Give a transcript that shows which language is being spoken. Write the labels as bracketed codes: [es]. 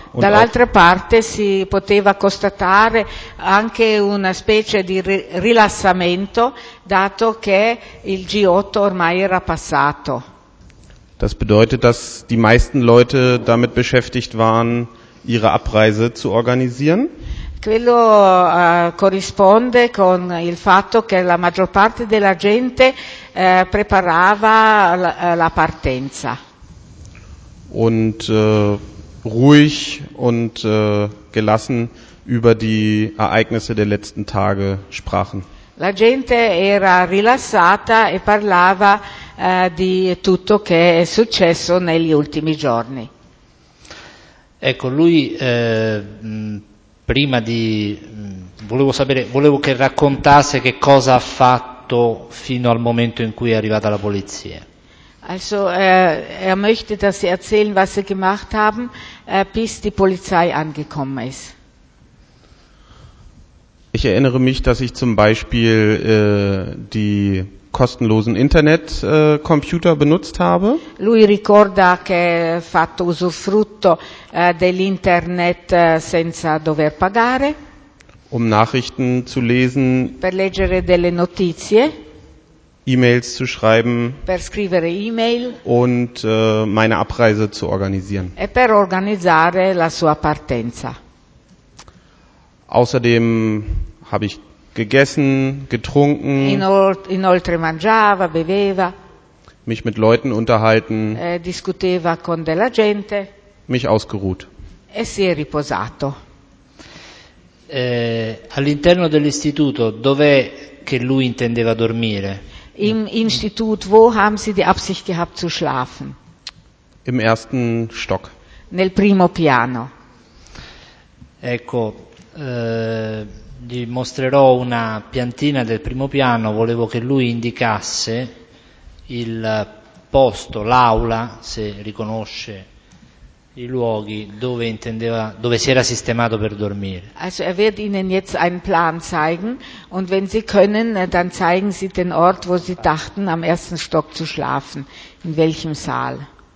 [de] Und [it] dall'altra parte si poteva constatare anche una specie di rilassamento, dato che il G8 ormai era passato. [de] Das bedeutet, dass die meisten Leute damit beschäftigt waren, ihre Abreise zu organisieren. [it] Quello corrisponde con il fatto che la maggior parte della gente preparava la partenza. [de] Und ruhig und gelassen über die Ereignisse der letzten Tage sprachen. [it] La gente era rilassata e parlava di tutto che è successo negli ultimi giorni. Ecco, lui prima di volevo sapere, volevo che raccontasse che cosa ha fatto fino al momento in cui è arrivata la polizia. [de] Also möchte, dass sie erzählen, was sie gemacht haben, bis die Polizei angekommen ist. Ich erinnere mich, dass ich zum Beispiel die kostenlosen Internet Computer benutzt habe. [it] Lui ricorda che ha fatto usufrutto dell'Internet senza dover pagare. [de] Um Nachrichten zu lesen. [it] Per leggere delle notizie. [de] E-Mails zu schreiben. [it] Per scrivere E-Mail. [de] Und meine Abreise zu organisieren. [it] E per organizzare la sua partenza. [de] Außerdem habe ich gegessen, getrunken, [it] inoltre mangiava, beveva, [de] mich mit Leuten unterhalten, [it] discuteva con della gente, [de] mich ausgeruht. [it] E si è riposato. All'interno dell'istituto, dov'è che lui intendeva dormire? [de] Im Institut, wo haben Sie die Absicht gehabt zu schlafen? Im ersten Stock. [it] Nel primo piano. Ecco, gli mostrerò una piantina del primo piano, volevo che lui indicasse il posto, l'aula, se riconosce i luoghi dove intendeva, dove si era sistemato per dormire. [de] Also wird Ihnen jetzt einen Plan zeigen und wenn Sie können, dann zeigen Sie den Ort, wo Sie dachten, am ersten Stock zu schlafen, in welchem Saal.